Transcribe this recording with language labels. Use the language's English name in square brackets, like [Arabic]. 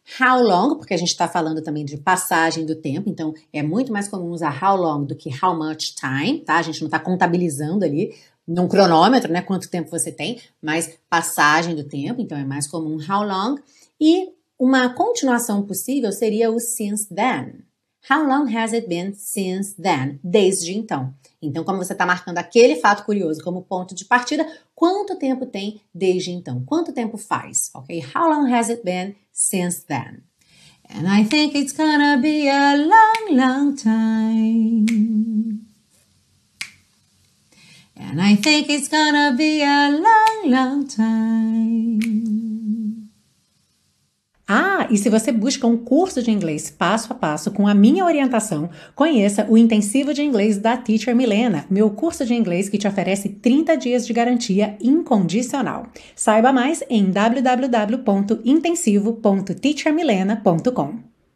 [Portuguese] How long, porque a gente está falando também de passagem do tempo. Então, é muito mais comum usar how long do que how much time, tá? A gente não está contabilizando ali num cronômetro, né? Quanto tempo você tem, mas passagem do tempo. Então, é mais comum how long. E uma continuação possível seria o since then. [English] How long has it been since then? [Portuguese] Desde então. Então, como você está marcando aquele fato curioso como ponto de partida, quanto tempo tem desde então? Quanto tempo faz? Okay? [English] How long has it been since then? And I think it's gonna be a long, long time. And I think it's gonna be a long, long time. [Portuguese] Ah, e se você busca um curso de inglês passo a passo com a minha orientação, conheça o Intensivo de Inglês da Teacher Milena, meu curso de inglês que te oferece 30 dias de garantia incondicional. Saiba mais em www.intensivo.teachermilena.com.